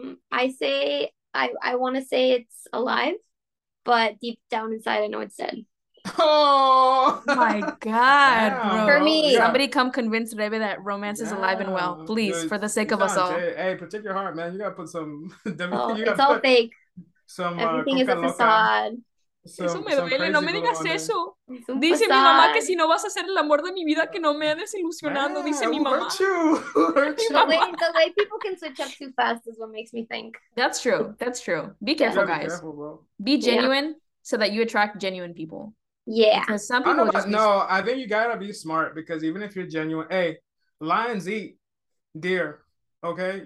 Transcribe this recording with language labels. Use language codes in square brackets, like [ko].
[en] I want to say it's alive, but deep down inside, I know it's dead. Oh my God, bro. For me. Somebody come convince Rebe that romance is alive and well, please, for the sake of us all. Hey, protect your heart, man. You got to put some. It's all fake. Everything is a facade. [es] Eso me duele, no me digas eso. Dice mi mamá que si no vas a ser el amor de mi vida, que no me andes ilusionando, dice mi mamá. [en] The way people can switch up too fast is what makes me think. That's true. Be careful, guys. Be genuine so that you attract genuine people. Yeah. Because some people I think you gotta be smart because even if you're genuine, hey, lions eat deer, okay?